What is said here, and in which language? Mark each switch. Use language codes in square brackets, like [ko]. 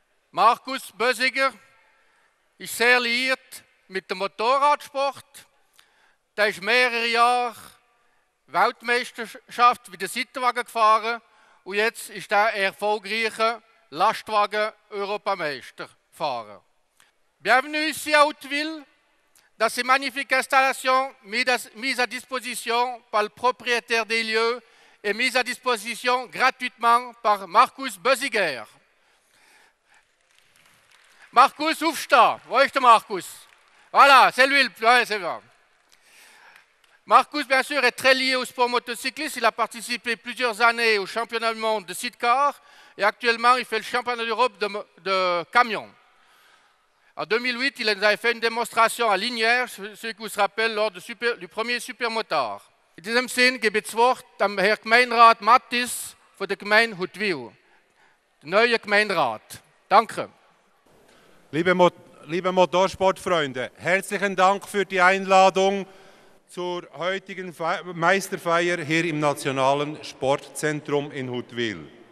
[de] Markus Bössiger ist sehr liiert mit dem Motorradsport. Er ist mehrere Jahre Weltmeisterschaft mit dem Seitenwagen gefahren und jetzt ist er erfolgreicher Lastwagen-Europameisterfahrer. [fr] Bienvenue ici à Huttwil, dans ces magnifiques installations mises à disposition par le propriétaire des lieux et mises à disposition gratuitement par Markus Bössiger. [de] Markus, aufstehen! Wo ist der Markus? [fr] Voilà, c'est lui, c'est bon. Markus, bien sûr, est très lié au sport motocycliste. Il a participé plusieurs années au championnat du monde de sidecar et actuellement, il fait le championnat d'Europe de camion. En 2008, il avait fait une démonstration à Lignières, ce que vous vous rappelez, lors du premier supermotard. [de] In diesem Sinn gebe ich das Wort am Herr Gemeinderat Mathis von der Gemeinde Huttwil, der neue Gemeinderat. Danke. Liebe Motorsportfreunde, herzlichen Dank für die Einladung zur heutigen Meisterfeier hier im Nationalen Sportzentrum in Huttwil.